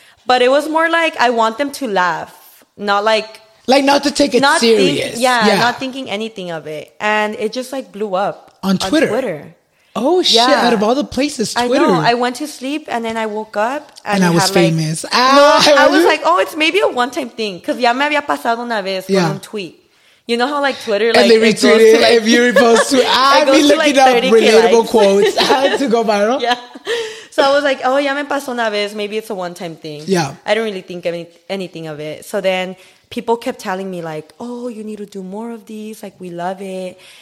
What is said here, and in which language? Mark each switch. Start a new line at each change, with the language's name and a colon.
English: But it was more like, I want them to laugh, not like... Like, not to take it serious. Not thinking anything of it. And it just, like, blew up. On Twitter? On Twitter. Oh, shit. Yeah. Out of all the places, Twitter. I know. I went to sleep, and then I woke up. And I was famous. Like, no, I was like, oh, it's maybe a one-time thing.
Spanish: Because ya me había pasado una vez con un tweet.
English: You know how, like, Twitter, like... And they retweet it. Like, if you're supposed to... I'd be looking up relatable quotes to go viral. Yeah. So I was like, oh, ya me pasó una vez. Maybe it's a one-time thing. Yeah. I didn't really think anything of it. So then... People kept telling me, like, oh, you need to do more of these. Like, we love it.